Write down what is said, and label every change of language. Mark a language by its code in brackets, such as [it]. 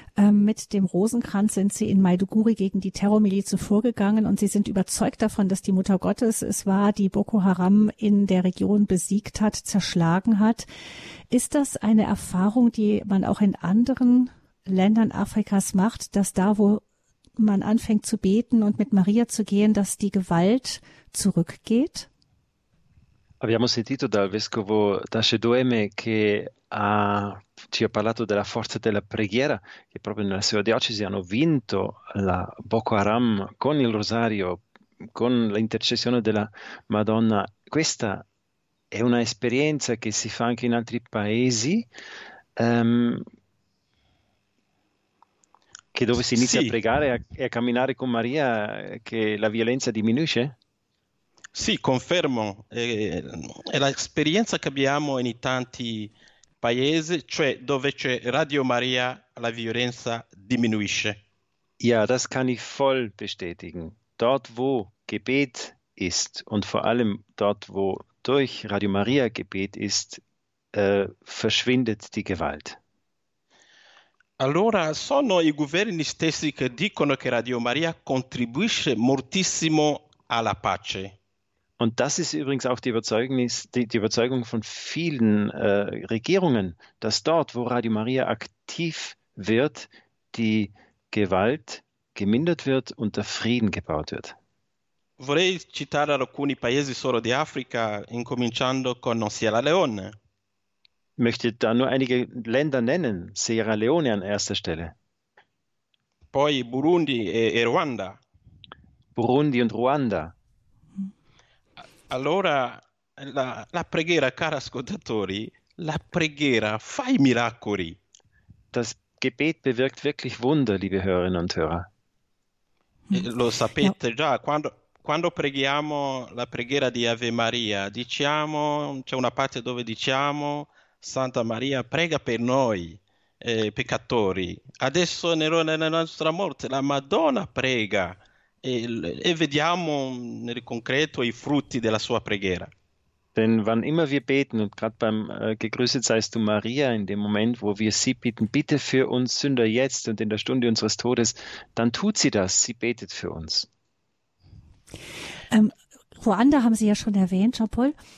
[de] Mit dem Rosenkranz sind sie in Maiduguri gegen die Terrormilizen vorgegangen, und sie sind überzeugt davon, dass die Mutter Gottes es war, die Boko Haram in der Region besiegt hat, zerschlagen hat. Ist das eine Erfahrung, die man auch in anderen Ländern Afrikas macht, dass da, wo man anfängt zu beten und mit Maria zu gehen, dass die Gewalt zurückgeht? [it] Abbiamo sentito dal Vescovo Dasche-Doeme che ci ha parlato della forza della preghiera, che proprio nella sua diocesi hanno vinto la Boko Haram con il rosario, con l'intercessione della Madonna. Questa è un'esperienza che si fa anche in altri paesi, che dove si inizia, sì, a pregare e a camminare con Maria, che la violenza diminuisce? Sì, confermo. È l'esperienza che abbiamo in tanti paese, cioè dove c'è Radio Maria, la violenza diminuisce. [de] Ja, das kann ich voll bestätigen. Dort, wo Gebet ist und vor allem dort, wo durch Radio Maria Gebet ist, verschwindet die Gewalt. [it] Allora, sono i governi stessi che dicono che Radio Maria contribuisce moltissimo alla pace. [de] Und das ist übrigens auch die Überzeugung von vielen Regierungen, dass dort, wo Radio Maria aktiv wird, die Gewalt gemindert wird und der Frieden gebaut wird. [it] Vorrei citare alcuni paesi solo di Africa, incominciando con Sierra Leone. [de] Möchte da nur einige Länder nennen, Sierra Leone an erster Stelle. [it] Poi Burundi e Ruanda. [de] Burundi und Ruanda. [it] Allora, la preghiera, cari ascoltatori, la preghiera fa i miracoli. [de] Das Gebet bewirkt wirklich Wunder, liebe Hörerinnen und Hörer. [it] Lo sapete già, quando preghiamo la preghiera di Ave Maria, diciamo, c'è una parte dove diciamo, Santa Maria prega per noi, peccatori. Adesso nella nostra morte la Madonna prega. E vediamo nel concreto i frutti della sua preghiera. [de] Denn wann immer wir beten, und gerade beim Gegrüßet seist du Maria, in dem Moment, wo wir sie bitten, bitte für uns Sünder jetzt und in der Stunde unseres Todes, dann tut sie das, sie betet für uns. Ruanda haben Sie ja schon erwähnt, Jean-Paul.